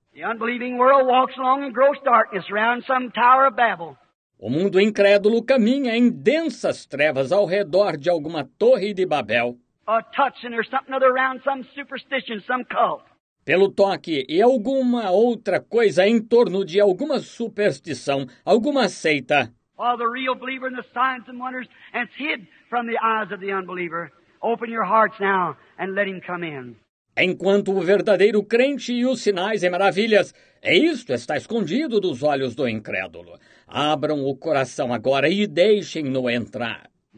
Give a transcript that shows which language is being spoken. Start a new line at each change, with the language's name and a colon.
English: The unbelieving world walks along in gross darkness around some tower of Babel.
Portuguese: O mundo incrédulo caminha em densas trevas ao redor de alguma torre de Babel.
English: A touch and there's something other around some superstition, some cult.
Portuguese: Pelo toque e alguma outra coisa em torno de alguma superstição, alguma seita.
English: While the real believer in the signs and wonders and it's hid from the eyes of the unbeliever, open your hearts now and let him come in.
Portuguese: Enquanto o verdadeiro crente e os sinais e maravilhas, é isto, está escondido dos olhos do incrédulo. Abram o coração agora e deixem-no entrar.